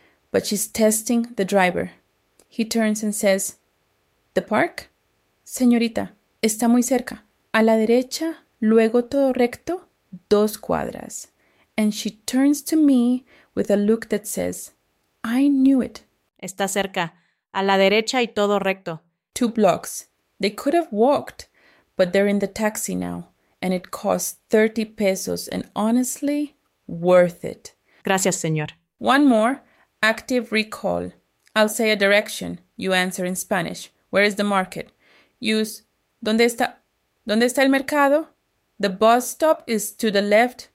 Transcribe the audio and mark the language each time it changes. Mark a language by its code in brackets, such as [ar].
[en] But she's testing the driver. He turns and says, the park? [es] Señorita, está muy cerca. A la derecha, luego todo recto, dos cuadras. [en] And she turns to me with a look that says, I knew it. [es] Está cerca. A la derecha y todo recto. [en] Two blocks. They could have walked, but they're in the taxi now, and it costs 30 pesos, and honestly, worth it. [es] Gracias, señor. [en] One more. Active recall. I'll say a direction. You answer in Spanish. Where is the market? [es] Use, ¿Dónde está el mercado? [en] The bus stop is to the left.